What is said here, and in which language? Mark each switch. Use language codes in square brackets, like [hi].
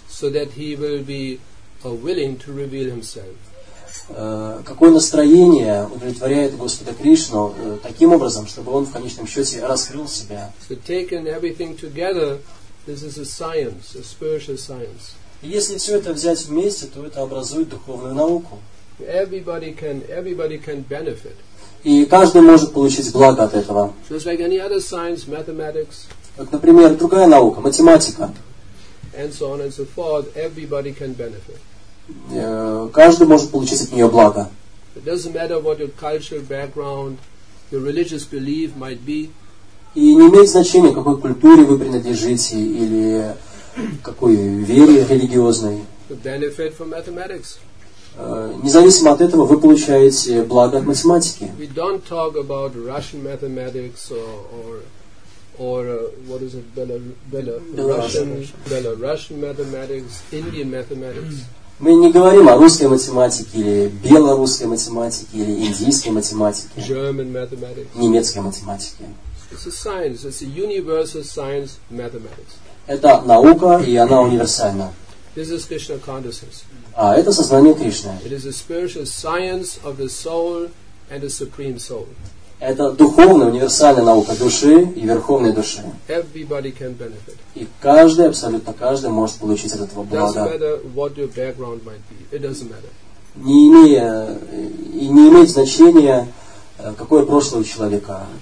[en] So that he will be willing to reveal himself. [ru] Какое настроение удовлетворяет Господа Кришну таким образом, чтобы он в конечном счете раскрыл себя? [en] So taking everything together, this is a science, a spiritual science. [ru] Если все это взять вместе, то это образует духовную науку. [en] Everybody can benefit. [ru] И каждый может получить благо от этого. [en] Just like any other science, mathematics. [ru] Как, например, другая наука, математика. [en] And so on and so forth, everybody can benefit. [ru] Каждый может получить от нее благо. [en] It doesn't matter what your cultural background, your religious belief might be. [ru] И не имеет значения, какой культуре вы принадлежите или какой вере религиозной. [en] The benefit from mathematics. [ru] Независимо от этого, вы получаете благо от математики. [en] We don't talk about Russian mathematics or what is it, Belarusian mathematics, Indian mathematics. [ru] Мы не говорим о русской математике или белорусской математике или индийской математике. [en] German mathematics. [ru] Немецкой математике. [en] It's a science. It's a universal science mathematics. [ru] Это наука и она универсальна. [en] This is Krishna consciousness. [ru] А это сознание Кришны. [en] It is a spiritual science of the soul and the supreme soul. [ru] Это духовная универсальная наука души и верховной души. [en] Everybody can benefit. [ru] И каждый, абсолютно каждый, может получить от этого блага. [en] Doesn't matter what your background might be. It doesn't matter. [ru] Не имеет значения, какое прошлое у человека.